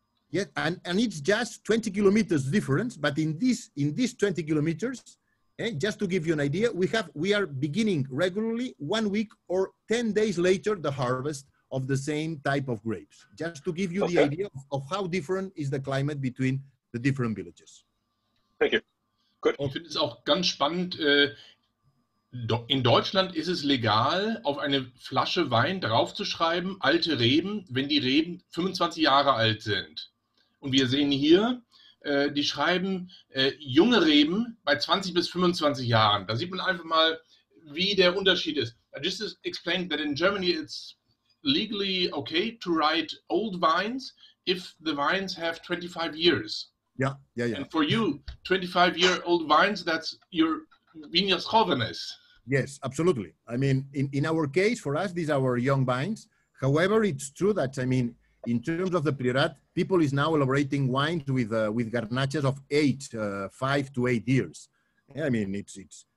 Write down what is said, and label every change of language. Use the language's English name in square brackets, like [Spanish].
[English] Yeah, and it's just 20 kilometers difference, but in this 20 kilometers, just to give you an idea, we are beginning regularly 1 week or 10 days later the harvest of the same type of grapes. Just to give you the idea of how different is the climate between the different villages. Thank you. [German] Gut. Ich finde es auch ganz spannend, in Deutschland ist es legal, auf eine Flasche Wein draufzuschreiben, alte Reben, wenn die Reben 25 Jahre alt sind. Und wir sehen hier, die schreiben junge Reben bei 20 bis 25 Jahren. Da sieht man einfach mal, wie der Unterschied ist. [English] I just explained that in Germany it's legally okay to write old vines if the vines have 25 years. Yeah. And for you, 25-year-old vines, that's your [Spanish] vinos jóvenes. [English] Yes, absolutely. I mean, in our case, for us, these are our young vines. However, it's true that, I mean, in terms of the Priorat, people is now elaborating wines with garnaches of 5 to 8 years. Yeah, I mean, it's.